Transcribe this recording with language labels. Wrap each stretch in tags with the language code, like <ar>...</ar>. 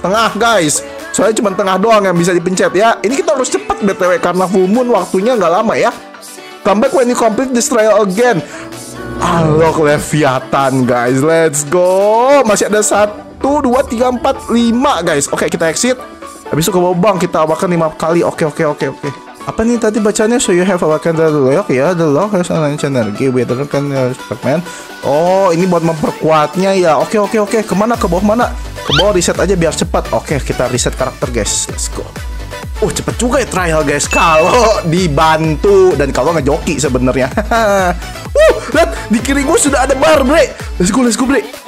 <id>Tengah guys, soalnya cuma tengah doang yang bisa dipencet ya. Ini kita harus cepat btw karena full moon waktunya nggak lama ya.</id> <en>Come back when you complete this trial again. Unlock Leviathan guys, let's go.</en> <id>Masih ada 1, 2, 3, 4, 5 guys. Oke, kita exit. Habis itu ke bawah bang, kita awakan 5 kali. Oke. Apa nih tadi bacanya?</id> <en>So you have awakened the lock. Ya, the lock has an ancient energy. We don't know your equipment.</en> <id>Oh, ini buat memperkuatnya ya. Oke. Kemana? Ke bawah mana? Ke bawah, reset aja biar cepat. Oke, kita reset karakter guys.</id> <en>Let's go.</en> <id>Cepet juga ya trial guys. Kalau dibantu dan kalau ngejoki sebenarnya. Lihat, di kiri gue sudah ada bar, bre.</id> <en>Let's go,</en> <id>bre.</id>